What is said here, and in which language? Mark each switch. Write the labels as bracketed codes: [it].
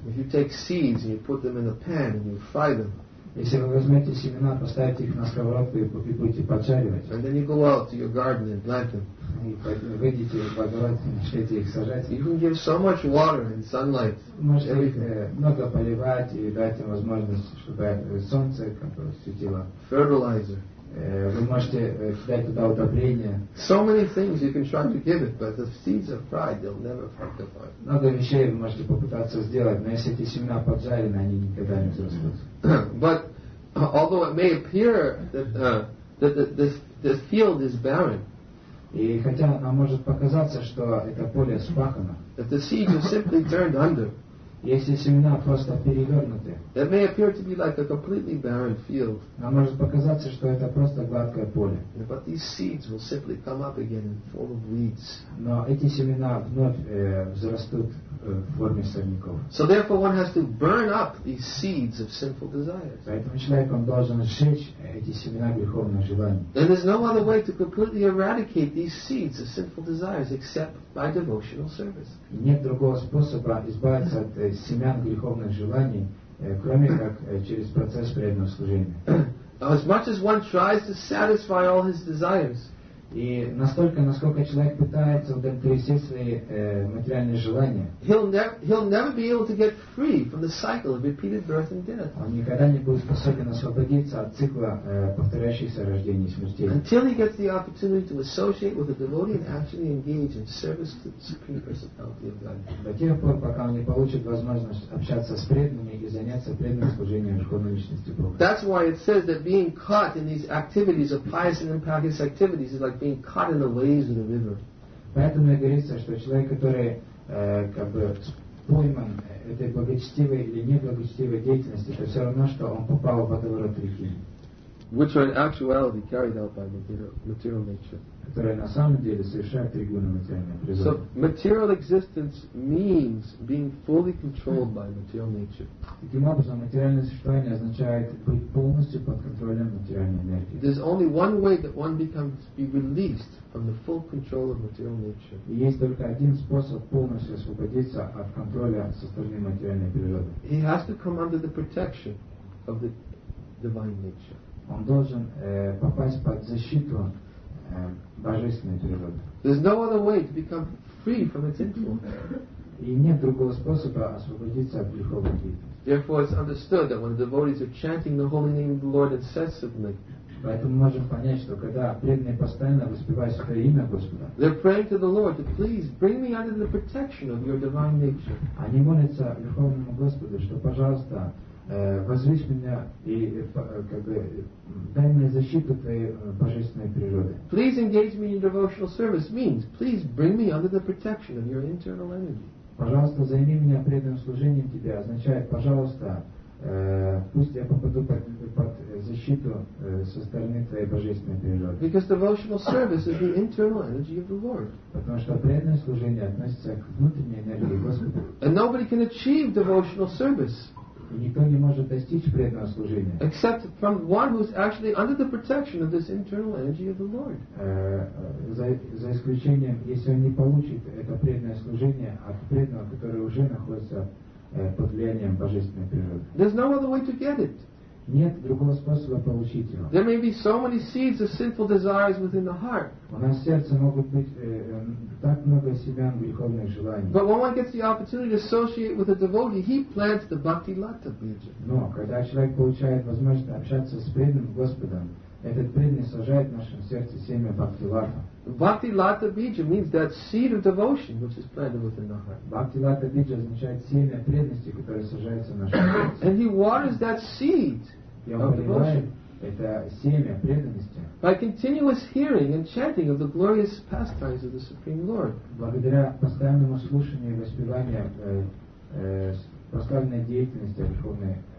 [en] If you take seeds and you put them in a pan and you fry them. [ru] Если вы возьмете семена, поставите их на сковородку и будете поджаривать. [en] And then you go out to your garden and plant them. [ru] Выйдите в огород и начнете их сажать. [en] You can give so much water and sunlight. [ru] Можете много поливать и дать им возможность, чтобы солнце светило. [en] Fertilizer. [ru] Вы можете дать туда удобрение. [en] So many things you can try to give it, but the seeds are fried, they'll never fructify. [ru] Много вещей вы можете попытаться сделать, но если эти семена поджарены, они никогда не взрастут. [en] But although it may appear that the field is barren, [ru] и хотя нам может показаться, что это поле спахано, [en] that the seeds are simply turned under, [ru] если семена просто перевернуты, [en] it may appear to be like a completely barren field. [ru] Нам может показаться, что это просто гладкое поле. [en] But these seeds will simply come up again in form of weeds. [ru] Но эти семена вновь взрастут в форме сорняков. [en] So therefore, one has to burn up these seeds of sinful desires. [ru] Поэтому человек должен сжечь эти семена греховных желаний. [en] Then there's no other way to completely eradicate these seeds of sinful desires except by devotional service. [ru] Нет другого способа избавиться от семян греховных желаний, кроме как через процесс преданного служения. [en] As much as one tries to satisfy all his desires, [ru] и настолько, насколько человек пытается удовлетворить свои материальные желания, [en] he'll never be able to get free from the cycle of repeated birth and death. [ru] Он никогда не будет способен освободиться от цикла повторяющихся рождений и смертей. [en] Until he gets the opportunity to associate with a devotee and actually engage in service to the Supreme Personality of God. [ru] До тех пор, пока он не получит возможность общаться с преданными и заняться преданным служением Верховной Личности Бога. [en] That's why it says that being caught in these activities of pious and impious activities is like being caught in the waves of the river. [ru] Поэтому я говорится, что человек, который как бы пойман этой благочестивой или неблагочестивой деятельности, это все равно, что он попал в водоворот реки. [en] Which are in actuality carried out by material nature. [ru] Которые на самом деле совершают ригуна материальной природы. [en] So material existence means being fully controlled by material nature. [ru] Таким образом, материальное существование означает быть полностью под контролем материальной энергии. [en] There's only one way that one becomes be released from the full control of material nature. [ru] И есть только один способ полностью освободиться от контроля со стороны материальной природы. [en] He has to come under the protection of the divine nature. [ru] Он должен попасть под защиту божественной природы. [en] There's no other way to become free from its influence. [ru] И нет другого способа освободиться от греховной деятельности. [en] Therefore, it's understood that when the devotees are chanting the holy name of the Lord incessantly, [ru] поэтому мы можем понять, что когда преданные постоянно воспевают Святое имя Господа, [en] they're praying to the Lord to please bring me under the protection of your divine nature. [ru] Они молятся Верховному Господу, что, пожалуйста, возвысь меня и как бы дай мне защиту твоей божественной природы. [en] Please engage me in devotional service means please bring me under the protection of your internal energy. [ru] Пожалуйста, займи меня преданным служением тебе означает, пожалуйста, пусть я попаду под защиту со стороны твоей божественной природы. [en] Because devotional service is the internal energy of the Lord. [ru] Потому что преданное служение относится к внутренней энергии Господа. [en] And nobody can achieve devotional service. [ru] И никто не может достичь преданного служения. [en] Except from one who is actually under the protection of this internal energy of the Lord. [ru] За исключением, если он не получит это преданное служение от преданного, который уже находится под влиянием божественной природы. [en] There's no other way to get it. [ru] Нет другого способа получить его. [en] There may be so many seeds of sinful desires within the heart. [ru] У нас в сердце могут быть так много семян греховных желаний. [en] But when one gets the opportunity to associate with a devotee, he plants the bhakti lata bija. [ru] Но когда человек получает возможность общаться с преданным Господом, этот преданный сажает в нашем сердце семя бхакти лата. [en] Bhakti lata bija means that seed of devotion which is planted within the heart. [ru] Bhakti lata bija означает семя преданности, которое сажается в нашем сердце. [en] And he waters that seed of devotion. [ru] Это семя преданности. [en] By continuous hearing and chanting of the glorious pastimes of the Supreme Lord. [ru] Благодаря постоянному слушанию и воспеванию прославленной деятельности Верховной